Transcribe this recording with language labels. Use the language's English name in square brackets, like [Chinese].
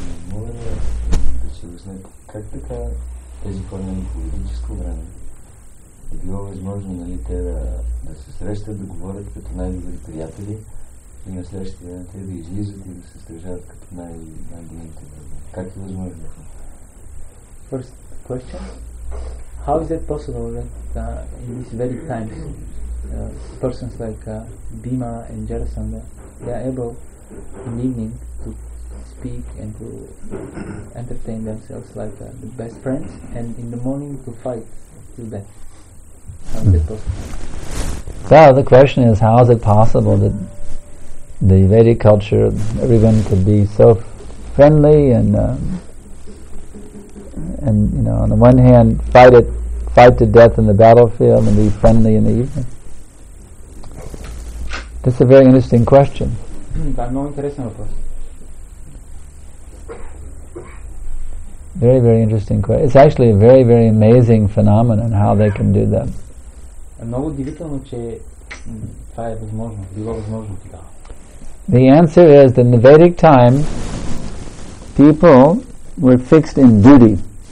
[Russian] более серьезные, как такая [Bulgarian] тези хора на политическо време, е било възможно, нали, те да се срещат, да говорят като най-добри приятели и на следващия ден те да излизат и да се срещат като най-добрите. Как е възможно? [English] First question. How is it possible that in this very time persons like Bhima and Jarasandha, they are able in evening to speak and to entertain themselves like the best friends and in the morning to fight to death? So the question is, how is it possible that the Vedic culture, everyone could be so friendly and you know, on the one hand fight to death in the battlefield and be friendly in the evening? That's a very interesting question. Very, very interesting question. It's actually a very, very amazing phenomenon how they can do that. [Bulgarian] Много удивително, че това е възможно, било възможно тогава. [English] The answer is that in the Vedic time people were fixed in duty.